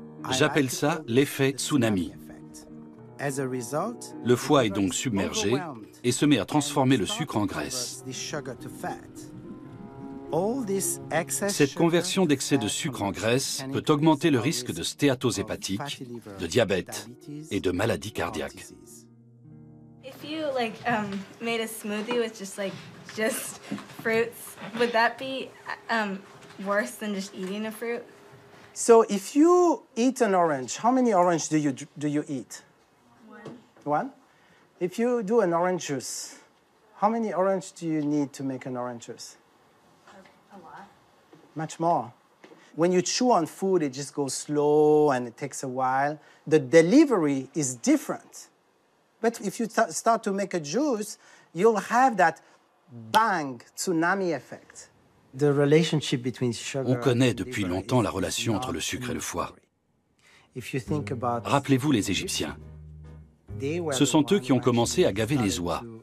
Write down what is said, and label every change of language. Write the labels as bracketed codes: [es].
[fr] J'appelle ça l'effet tsunami. Le foie est donc submergé et se met à transformer le sucre en graisse. Cette conversion d'excès de sucre en graisse peut augmenter le risque de stéatose hépatique, de diabète et de maladies cardiaques. [en] If you like made a smoothie with just fruits, would that be worse than just eating a fruit? So if you eat an orange, how many oranges do you eat? One. If you do an orange juice, how many oranges do you need to make an orange juice? A lot. Much more. When you chew on food, it just goes slow and it takes a while. The delivery is different. But if you start to make a juice, you'll have that bang, tsunami effect. The relationship between sugar... [fr] On connaît depuis longtemps la relation entre le sucre et le foie. [en] If you think about... [fr] Rappelez-vous les Égyptiens. Ce sont eux qui ont commencé à gaver les oies.